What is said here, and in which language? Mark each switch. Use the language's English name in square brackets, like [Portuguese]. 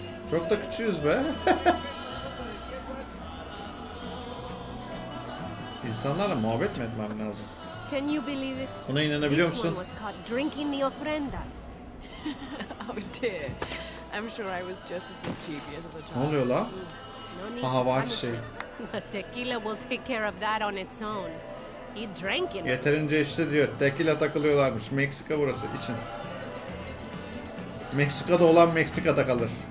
[Turkish] Çok da küçüğüz be. İnsanlarla muhabbet mi etmem lazım? [English] Can you believe it? [Turkish] Buna inanabiliyor musun? [English] Drinking the ofrendas. Oh dear. I'm sure I was just as mischievous as a child. [Turkish] Ne oluyor la? Aha var şey. [English] Tequila will take care of that on its own. [Turkish] Yeterince işte diyor. Tekila takılıyorlarmış. Meksika burası için. Meksika'da olan Meksika'da kalır.